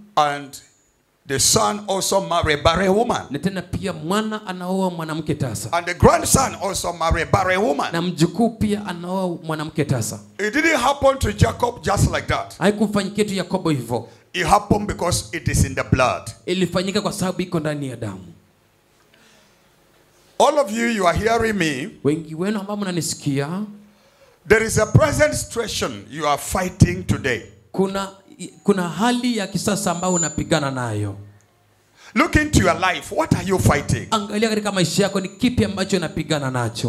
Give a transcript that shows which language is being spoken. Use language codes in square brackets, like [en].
[en] And the son also marry a barren woman. [sw] Na tena pia mwana anaoa mwanamke tasa. [en] And the grandson also marry a barren woman. [sw] Na mjukuu pia anaoa mwanamke tasa. [en] It didn't happen to Jacob just like that. [sw] Haikufanyika tu Yakobo hivyo. [en] It happened because it is in the blood. [sw] Ilifanyika kwa sababu iko ndani ya damu. [en] All of you, you are hearing me. [sw] Wengi wenu ambao mnanisikia. [en] There is a present situation you are fighting today. [sw] Kuna hali ya kisasa ambayo unapigana nayo. [en] Look into your life. What are you fighting? [sw] Angalia katika maisha yako ni kipi ambacho unapigana nacho.